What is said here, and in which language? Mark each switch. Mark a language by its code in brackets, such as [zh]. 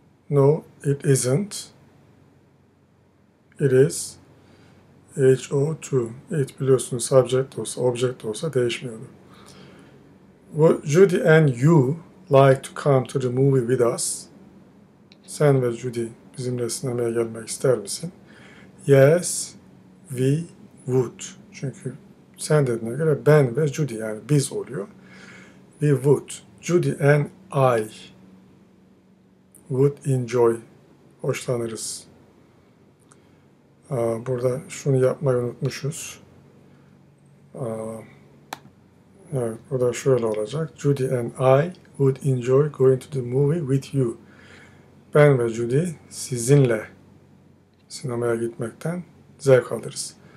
[en] No, it isn't. It is HO2. It [tr] biliyorsunuz subject olsa, object olsa değişmiyor. [en] Judy and you like to come to the movie with us. [tr] Sen ve Judy bizimle sinemaya gelmek ister misin? [en] Yes, we would. [tr] Çünkü sen dediğine göre ben ve Judy yani biz oluyor. [en] We would. Judy and I would enjoy. [tr] Hoşlanırız. Burada şunu yapmayı unutmuşuz. Evet, burada şöyle olacak. [en] Judy and I would enjoy going to the movie with you. [tr] Ben ve Judy sizinle sinemaya gitmekten zevk alırız.